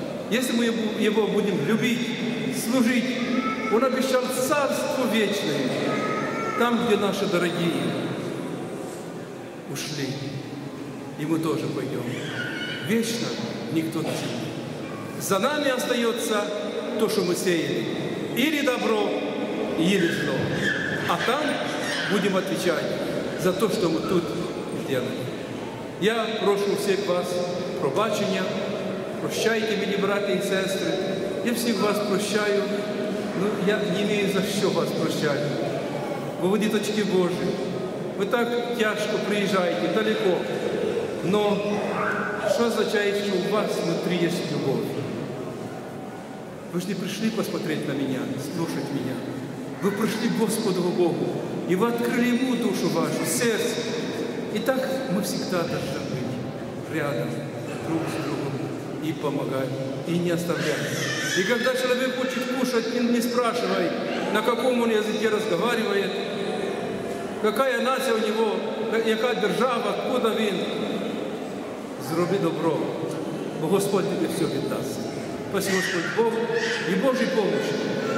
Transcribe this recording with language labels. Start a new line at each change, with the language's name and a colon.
Russian: Если мы Его будем любить, служить, Он обещал Царство Вечное, там, где наши дорогие ушли, и мы тоже пойдем. Вечно никто не живет. За нами остается то, что мы сеяли. Или добро, или зло. А там будем отвечать за то, что мы тут сделали.
Ukrainian: Я прошу всех вас пробачення. Прощайте мені, брати і сестри, я всіх вас прощаю, ну я не маю за що вас прощати. Бо ви діточки Божі, ви так тяжко приїжджаєте, далеко, но що означає, що у вас внутрі є любов? Ви ж не прийшли посмотреть на мене, слушать мене. Ви прийшли Господу Богу, і ви відкрили йому душу вашу, серце. І так ми завжди должны бути рядом, друг з другом.
Russian: И помогать, и не оставлять. И когда человек хочет кушать, он не спрашивает, на каком он языке разговаривает, какая нация у него, какая держава, откуда он. Сделай добро, бо Господь тебе все отдаст. Спасибо, Господь Богу и Божьей помощи.